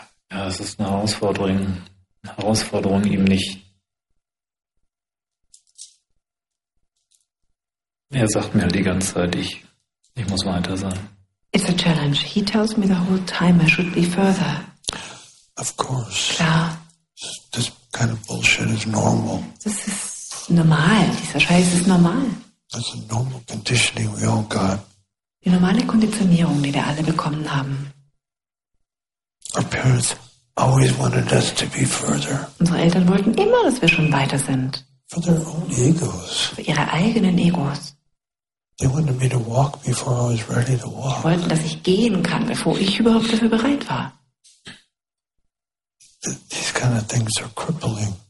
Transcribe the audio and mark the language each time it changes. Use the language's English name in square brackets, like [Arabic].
[German] Ja, es ist eine Herausforderung, ihm nicht. Er sagt mir halt die ganze Zeit, ich muss weiter sein. [English] It's a challenge. He tells me the whole time I should be further. Of course. [German] Klar. [English] This kind of bullshit is normal. [German] Das ist normal. Dieser Scheiß ist normal. [English] That's a normal conditioning we all got. [German] Die normale Konditionierung, die wir alle bekommen haben. [English] Our parents always wanted us to be further. [German] Unsere Eltern wollten immer, dass wir schon weiter sind. [English] For their own egos. [German] Für ihre eigenen Egos. [English] They wanted me to walk before I was ready to walk. [German] Sie wollten, dass ich gehen kann, bevor ich überhaupt dafür bereit war. [English] These kind of things are crippling.